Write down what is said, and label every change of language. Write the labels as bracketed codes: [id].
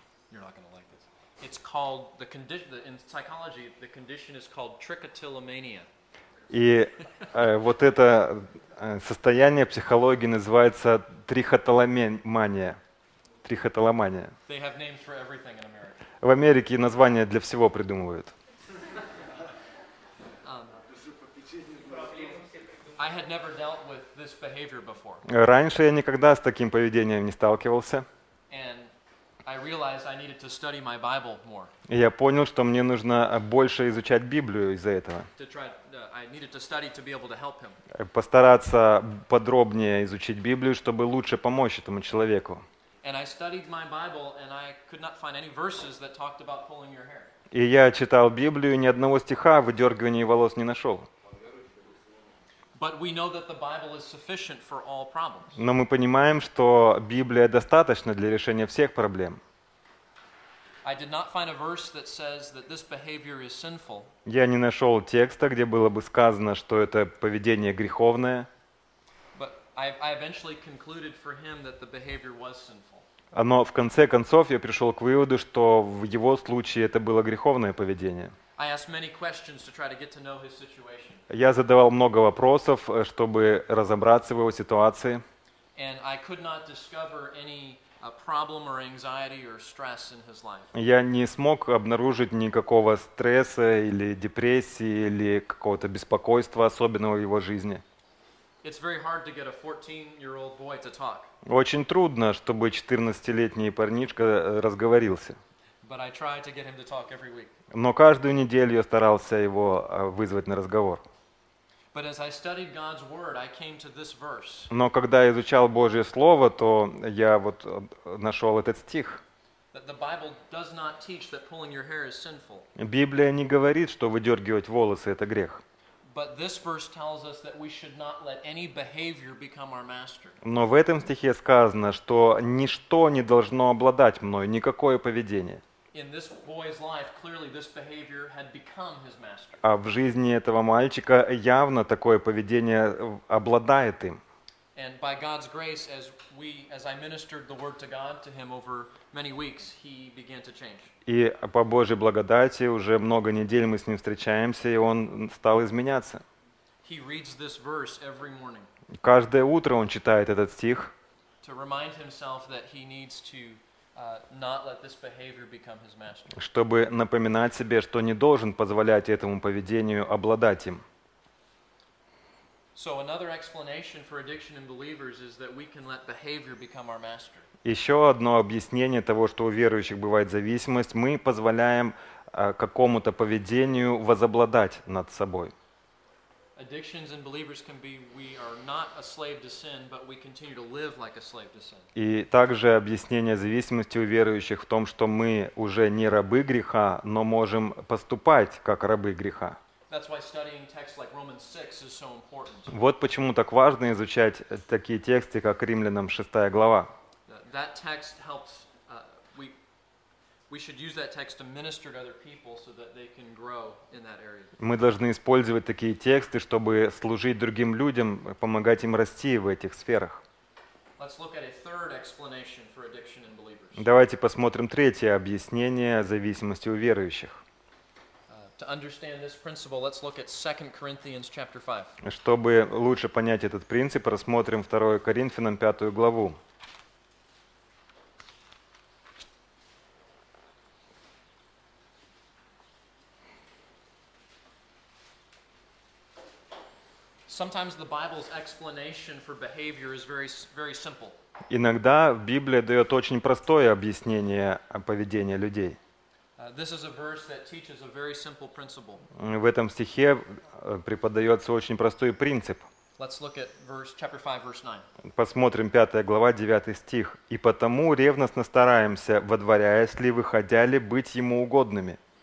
[en] You're not going to like this. It's called the condition. In psychology, the condition is called trichotillomania. [ru] И вот это состояние в психологии называется трихотиломания. Трихотиломания. [en] They have names for everything in America. [ru] В Америке названия для всего придумывают. [en] I had never dealt with this behavior before. [ru] Раньше я никогда с таким поведением не сталкивался. [en] And I realized I needed to study my Bible more. [ru] И я понял, что мне нужно больше изучать Библию из-за этого. [en] I needed to study to be able to help him. [ru] Постараться подробнее изучить Библию, чтобы лучше помочь этому человеку. [en] And I studied my Bible, and I could not find any verses that talked about pulling your hair. [ru] И я читал Библию, ни одного стиха о выдергивании волос не нашел. [en] But we know that the Bible is sufficient for all problems. [ru] Но мы понимаем, что Библия достаточна для решения всех проблем. [en] I did not find a verse that says that this behavior is sinful. [ru] Я не нашел текста, где было бы сказано, что это поведение греховное. [en] I eventually concluded for him that the behavior was sinful. [ru] Но в конце концов я пришел к выводу, что в его случае это было греховное поведение. [en] I asked many questions to try to get to know his situation. [ru] Я задавал много вопросов, чтобы разобраться в его ситуации. [en] And I could not discover any problem or anxiety or stress in his life. [ru] Я не смог обнаружить никакого стресса или депрессии или какого-то беспокойства особенного в его жизни. [en] It's very hard to get a 14-year-old boy to talk. [ru] Очень трудно, чтобы 14-летний парнишка разговорился. [en] But I try to get him to talk every week. [ru] Но каждую неделю я старался его вызвать на разговор. [en] But as I studied God's word, I came to this verse. [ru] Но когда я изучал Божье слово, то я вот нашел этот стих. [en] That the Bible does not teach that pulling your hair is sinful. [ru] Библия не говорит, что выдергивать волосы это грех. [en] But this verse tells us that we should not let any behavior become our master. [ru] Но в этом стихе сказано, что ничто не должно обладать мной, никакое поведение. [en] In this boy's life, clearly this behavior had become his master. [ru] А в жизни этого мальчика явно такое поведение обладает им. [en] And by God's grace, as I ministered the word to God to him over many weeks, he began to change. [ru] И по Божьей благодати уже много недель мы с ним встречаемся, и он стал изменяться. [en] He reads this verse every morning. [ru] Каждое утро он читает этот стих. [en] To remind himself that he needs to not let this behavior become his master. [ru] Чтобы напоминать себе, что не должен позволять этому поведению обладать им. [en] So another explanation for addiction in believers is that we can let behavior become our master. [ru] Еще одно объяснение того, что у верующих бывает зависимость, мы позволяем какому-то поведению возобладать над собой. [en] Addictions in believers can be we are not a slave to sin, but we continue to live like a slave to sin. [ru] И также объяснение зависимости у верующих в том, что мы уже не рабы греха, но можем поступать как рабы греха. [en] That's why studying texts like Romans 6 is so important. [ru] Вот почему так важно изучать такие тексты, как Римлянам 6 глава. [en] That text helps we should use that text to minister to other people so that they can grow in that area. [ru] Мы должны использовать такие тексты, чтобы служить другим людям, помогать им расти в этих сферах. [en] Let's look at a third explanation for addiction in believers. [ru] Давайте посмотрим третье объяснение зависимости у верующих. [en] To understand this principle, let's look at 2 Corinthians chapter 5. [ru] Чтобы лучше понять этот принцип, рассмотрим 2 Коринфянам 5 главу. [en] Sometimes the Bible's explanation for behavior is very, very simple. [ru] Иногда Библия дает очень простое объяснение поведения людей. [en] This is a verse that teaches a very simple principle. [ru] В этом стихе преподается очень простой принцип. [en] Let's look at verse, chapter 5, verse 9. [ru] Посмотрим 5 глава, 9 стих. «И потому ревностно стараемся, водворяясь ли, выходя ли, быть Ему угодными».